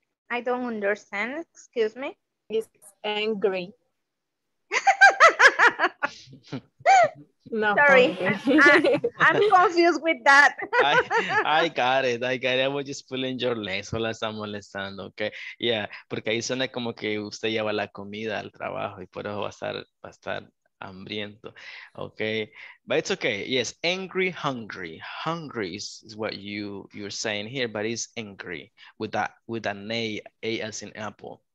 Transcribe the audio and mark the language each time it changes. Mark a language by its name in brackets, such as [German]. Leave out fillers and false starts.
[English] I don't understand. Excuse me. He's angry. No, sorry, I'm confused with that. I got it. I was just pulling your leg. [Spanish] Solo está molestando, okay? Yeah, porque ahí suena como que usted lleva la comida al trabajo y por eso va a estar hambriento, okay? [English] But it's okay. Yes, angry, hungry. Hungry is what you're saying here, but it's angry with an A as in apple.